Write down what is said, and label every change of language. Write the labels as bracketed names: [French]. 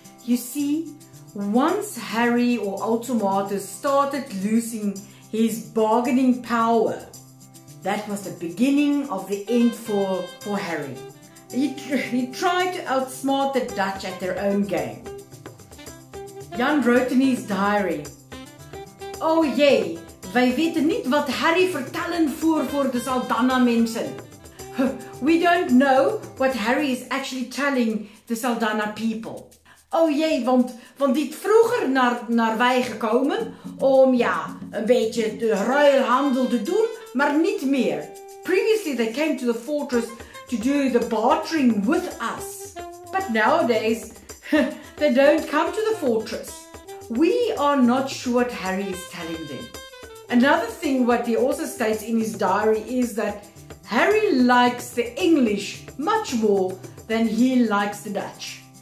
[English] You see, once Herry or Autshumato started losing his bargaining power, that was the beginning of the end for Herry. He tried to outsmart the Dutch at their own game. Jan wrote in his diary, [Dutch] Oh jee, wij weten niet wat Herry vertellen voor de Saldana mensen. [English] We don't know what Herry is actually telling the Saldana people. [Dutch] Oh jee, want die is vroeger naar wij gekomen om ja, een beetje de ruilhandel te doen, maar niet meer. [English] Previously they came to the fortress to do the bartering with us. But nowadays, they don't come to the fortress. We are not sure what Herry is telling them. Another thing what he also states in his diary is that Herry likes the English much more than he likes the Dutch.